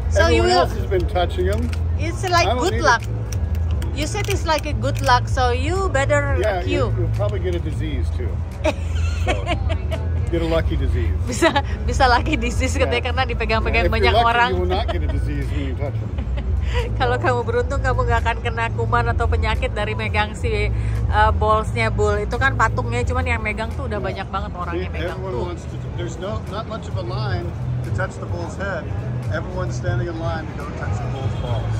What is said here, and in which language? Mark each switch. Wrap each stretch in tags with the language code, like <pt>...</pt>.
<en>So everyone you else has been touching them. It's like good luck. You said it's like a good luck, so you better queue. Yeah, you'll probably get a disease too. Get a lucky disease.</en> <id>Bisa</id> <en>lucky disease</en> <id>katanya yeah. Karena dipegang-pegang yeah, banyak</id> <en>lucky,</en> <id>orang.</id> <en>You will not get a disease when you touch them.</en> <id>Kalau kamu beruntung, kamu gak akan kena kuman atau penyakit dari megang si ballsnya bull. Itu kan patungnya, cuman yang megang tuh udah yeah. Banyak banget orang yang megang tuh.</id> <en>There's no not much of a line to touch the bull's head. Everyone's standing in line to go touch the bull's balls.</en>